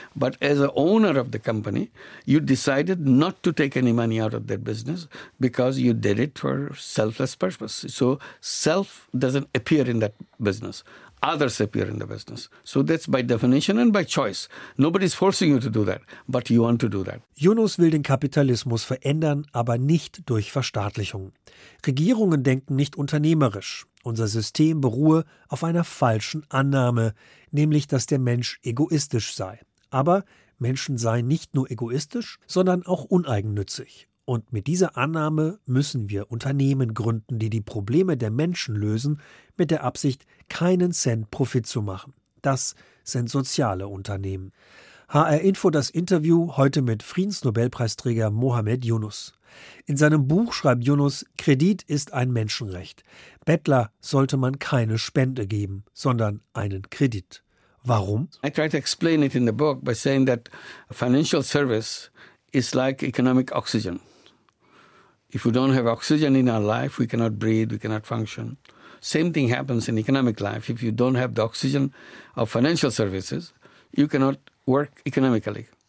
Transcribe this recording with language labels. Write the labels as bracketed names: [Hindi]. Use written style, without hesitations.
[English] But as an owner of the company, you decided not to take any money out of their business because you did it for selfless purpose. So self doesn't appear in that business. Others appear in the business. So that's by definition and by choice. Nobody's forcing you to do that, but you want to do that. [German] Yunus will den Kapitalismus verändern, aber nicht durch Verstaatlichung. Regierungen denken nicht unternehmerisch. Unser System beruhe auf einer falschen Annahme, nämlich, dass der Mensch egoistisch sei. Aber Menschen seien nicht nur egoistisch, sondern auch uneigennützig. Und mit dieser Annahme müssen wir Unternehmen gründen, die die Probleme der Menschen lösen, mit der Absicht, keinen Cent Profit zu machen. Das sind soziale Unternehmen. HR Info, das Interview heute mit Friedensnobelpreisträger Mohamed Yunus. In seinem Buch schreibt Yunus, Kredit ist ein Menschenrecht. Bettler sollte man keine Spende geben, sondern einen Kredit. Warum? [English] I try to explain it in the book by saying that financial service is like economic oxygen. If we don't have oxygen in our life, we cannot breathe, we cannot function. Same thing happens in economic life. If you don't have the oxygen of financial services, you cannot work economically.